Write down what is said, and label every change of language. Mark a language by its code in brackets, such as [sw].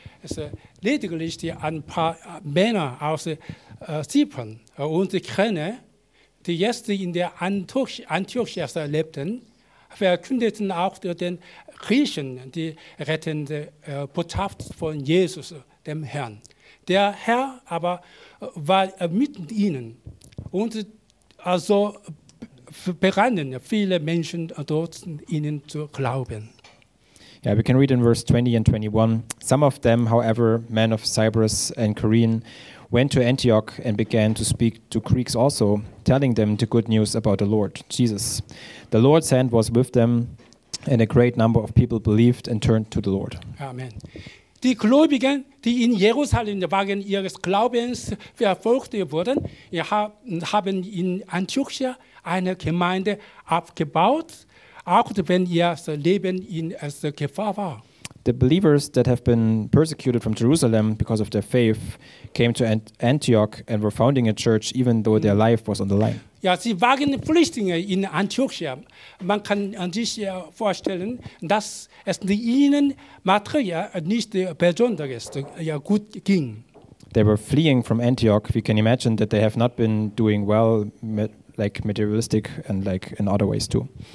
[de] Also lediglich die ein paar Männer aus Zypern und Kreene, die jetzt in der Antiochia lebten, verkündeten auch den Griechen die rettende Botschaft von Jesus, dem Herrn. Der Herr aber war mit ihnen und also begannen viele Menschen dort ihnen zu glauben. [en] Yeah, we can read in verse 20 and 21. Some of them, however, men of Cyprus and Cyrene, went to Antioch and began to speak to Greeks also, telling them the good news about the Lord Jesus. The Lord's hand was with them, and a great number of people believed and turned to the Lord. Amen. [de] Die Gläubigen, die in Jerusalem wegen ihres Glaubens verfolgt wurden, haben in Antiochia eine Gemeinde aufgebaut, auch wenn ihr Leben in Gefahr war. [en] The believers that have been persecuted from Jerusalem because of their faith came to Antioch and were founding a church, even though their life was on the line. [de] Ja, sie waren Flüchtlinge in Antiochia. Man kann sich vorstellen, dass es ihnen materiell nicht besonders gut ging. [en] They were fleeing from Antioch. We can imagine that they have not been doing well, like materialistic and like in other ways too.